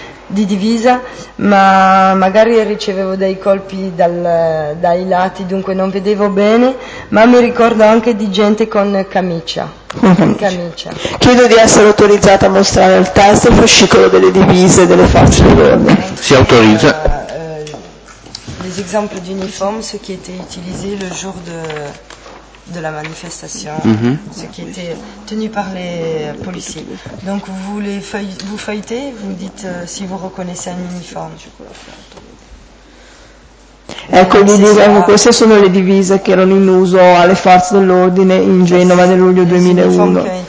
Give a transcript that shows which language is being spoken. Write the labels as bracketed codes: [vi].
[it] Di divisa, ma magari ricevevo dei colpi dai lati, dunque non vedevo bene, ma mi ricordo anche di gente con camicia. Camicia. Chiedo di essere autorizzata a mostrare il testo e il fascicolo delle divise delle forze dell'ordine. Si autorizza. [fr] Les exemples d'uniforme, ce qui était utilisé le jour de la manifestation, ce qui était tenu par les policiers. Donc vous les vous feuilletez, vous dites si vous reconnaissez un uniforme. [it] Ecco, gli dicevo, queste sono le divise che erano in uso alle forze dell'ordine in Genova nel luglio 2001.